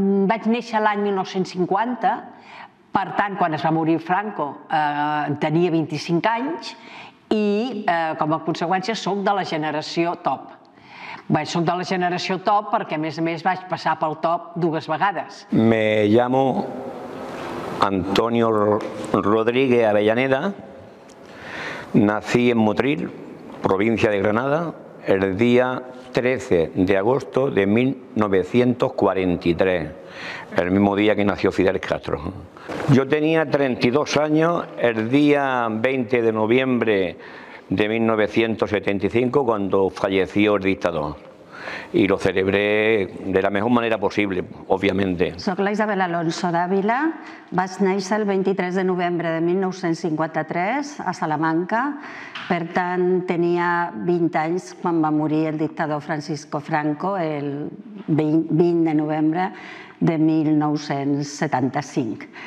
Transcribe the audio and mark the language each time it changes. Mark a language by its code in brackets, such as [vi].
[ca] Vaig néixer l'any 1950, per tant, quan es va morir Franco, tenia 25 anys i, com a conseqüència, soc de la generació top. Bé, soc de la generació top perquè, a més, vaig passar pel top dues vegades. [es] Me llamo Antonio Rodríguez Avellaneda, nací en Motril, provincia de Granada, el día 13 de agosto de 1943, el mismo día que nació Fidel Castro. Yo tenía 32 años el día 20 de noviembre de 1975 cuando falleció el dictador. Y lo celebré de la mejor manera posible, obviamente. [ca] Soc la Isabel Alonso d'Àvila. Vaig néixer el 23 de novembre de 1953 a Salamanca. Per tant, tenia 20 anys quan va morir el dictador Francisco Franco el 20 de novembre de 1975.